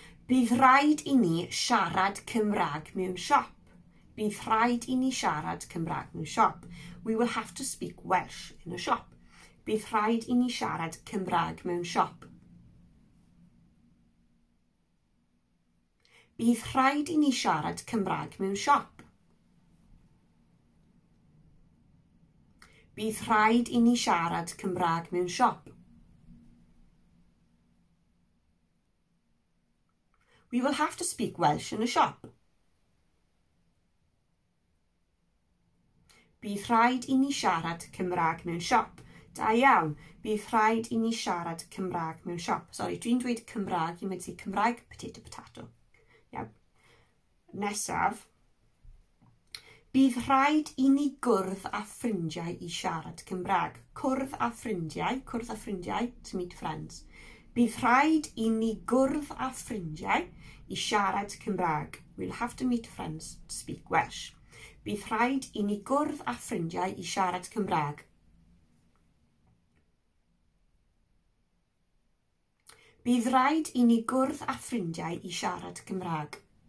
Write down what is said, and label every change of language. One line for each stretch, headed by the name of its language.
Welsh: Bydd rhaid I ni siarad Cymraeg mewn siop. Bydd rhaid I ni siarad Cymraeg mewn siop.
English: We will have to speak Welsh in a shop.
Welsh: Bydd rhaid I ni siarad Cymraeg mewn siop. Bydd rhaid I ni siarad Cymraeg mewn siop. Bydd rhaid I ni siarad Cymraeg mewn siop.
English: We will have to speak Welsh in a shop.
Welsh: Bydd rhaid I ni siarad Cymraeg mewn siop. Da iawn. Bydd rhaid I ni siarad Cymraeg mewn siop.
English: Sorry,
Welsh: dwi'n dweud Cymraeg. I'n meddwl Cymraeg,
English: potato, potato.
Welsh: Iawn. Nesaf. Bydd rhaid I ni gwrdd a ffrindiau I siarad Cymraeg. Cwrdd a ffrindiau, cwrdd a ffrindiau,
English: to meet friends.
Welsh: Bydd rhaid I ni gwrdd a ffrindiau I siarad Cymraeg.
English: We'll have to meet friends to speak Welsh.
Welsh: Bydd rhaid I ni gwrdd a ffrindiau I siarad Cymraeg. Bydd rhaid I ni gwrdd a ffrindiau I siarad Cymraeg.